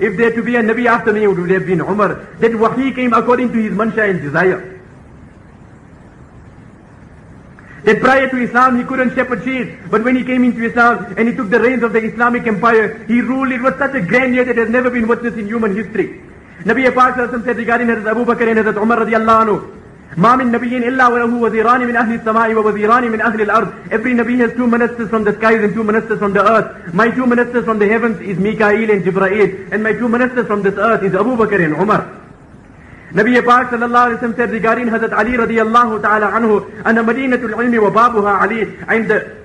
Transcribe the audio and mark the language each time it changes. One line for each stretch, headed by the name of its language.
English: If there to be a Nabi after me, it would have been Umar. Then wahi came according to his mansha and desire. That prior to Islam, he couldn't shepherd sheep. But when he came into Islam and he took the reins of the Islamic empire, he ruled it with such a grandeur that has never been witnessed in human history. Nabi Pak said regarding Hazrat Abu Bakr and Hazrat Umar radiallahu anhu,
Arabic: ما من نبي إلا وله وزيران من أهل السماء ووزيران من أهل الأرض.
English: Every Nabi has two ministers from the skies and two ministers from the earth. My two ministers from the heavens is Mikael and Jibreel, and my two ministers from this earth is Abu Bakr and Umar. Nabi Pak sallallahu alayhi wa sallam said regarding Hazrat Ali radiallahu ta'ala anhu,
Arabic: أن مدينة العلم وبابها علي.